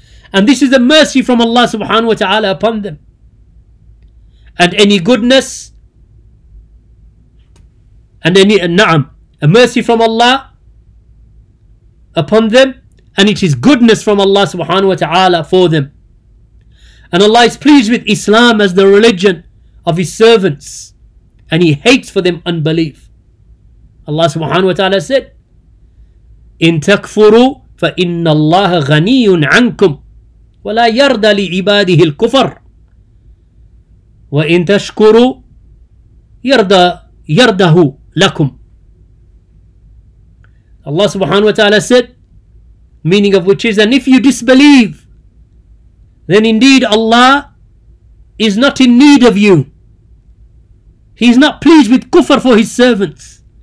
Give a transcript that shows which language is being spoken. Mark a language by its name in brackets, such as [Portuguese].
[English] And this is a mercy from Allah subhanahu wa ta'ala upon them. And any goodness, and any na'am, a mercy from Allah upon them, and it is goodness from Allah subhanahu wa ta'ala for them. And Allah is pleased with Islam as the religion of his servants, and he hates for them unbelief. Allah subhanahu wa ta'ala said, [Arabic] إِن تَكْفُرُوا فَإِنَّ اللَّهَ غَنِيٌ عَنْكُمْ وَلَا يَرْضَى لِعِبَادِهِ الْكُفَرُ وَإِن تَشْكُرُوا yardahu lakum. [English] Allah subhanahu wa ta'ala said, meaning of which is, and if you disbelieve, then indeed Allah is not in need of you. He's not pleased with kufr for his servants.